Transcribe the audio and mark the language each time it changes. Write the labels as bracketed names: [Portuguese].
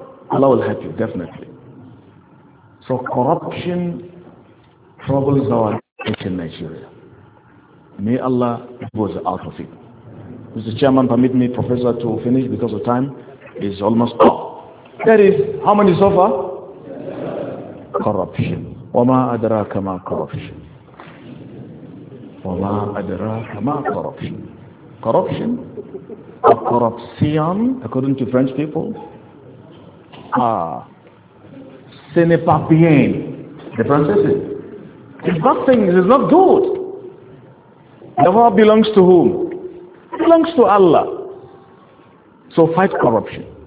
[English] Allah will help you, definitely. So corruption troubles our nation, Nigeria. May Allah keep us out of it. Mr. Chairman, permit me, Professor, to finish because of time is almost up. That is, how many so far? Corruption. [Arabic] وَمَا أَدْرَاكَ مَا corruption. وَمَا أَدْرَاكَ مَا corruption. [English] Corruption. Corruption, according to French people. [French] Ce n'est pas bien. [English] The Francais. It's nothing. It's not good. Dawa belongs to whom? It belongs to Allah. So fight corruption.